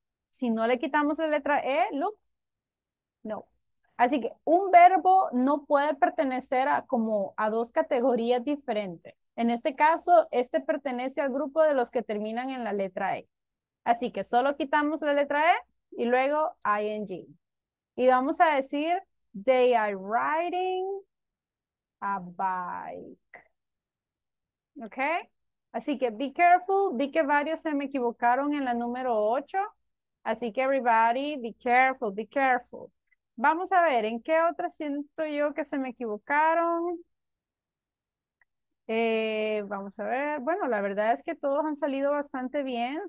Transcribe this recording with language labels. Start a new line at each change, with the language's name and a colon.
Spanish: Si no le quitamos la letra E,
English: look,
Spanish: no. Así que un verbo no puede pertenecer a como a dos categorías diferentes. En este caso, este pertenece al grupo de los que terminan en la letra E. Así que solo quitamos la letra E y luego ing. Y vamos a decir,
English: they are riding a bike.
Spanish: ¿Ok? Así que
English: be careful.
Spanish: Vi que varios se me equivocaron en la número 8. Así que
English: everybody, be careful, be careful.
Spanish: Vamos a ver, ¿en qué otra siento yo que se me equivocaron? Vamos a ver, bueno, la verdad es que todos han salido bastante bien.